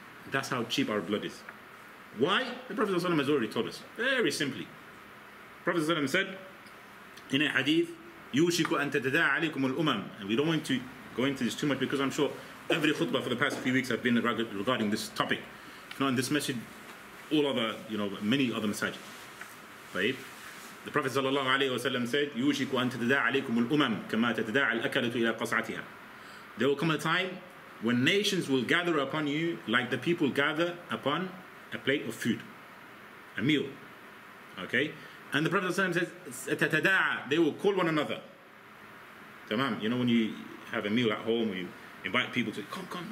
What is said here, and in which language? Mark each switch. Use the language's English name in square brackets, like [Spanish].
[English] That's how cheap our blood is. Why? The Prophet ﷺ has already told us. Very simply. The Prophet ﷺ said, in a hadith, [Arabic] يُوشِكُ أَن تَتَدَاعَ عَلَيْكُمُ الْأُمَمُ. [English] And we don't want to go into this too much, because I'm sure every khutbah for the past few weeks have been regarding this topic. If not in this message, all other, you know, many other masajid. Right? The Prophet sallallahu alayhi wa sallam said, [Arabic] يُوشِكُ أَن تَتَدَاعَ عَلَيْكُمُ الْأُمَمُ كَمَا تَتَدَاعَ الْأَكَلَةُ إِلَىٰ قَصْعَتِهَا. [English] There will come a time when nations will gather upon you like the people gather upon a plate of food, a meal. Okay? And the Prophet sallallahu alayhi wa sallam says, تَتَدَاعَ, they will call one another. Tamam, you know when you have a meal at home, you invite people to come.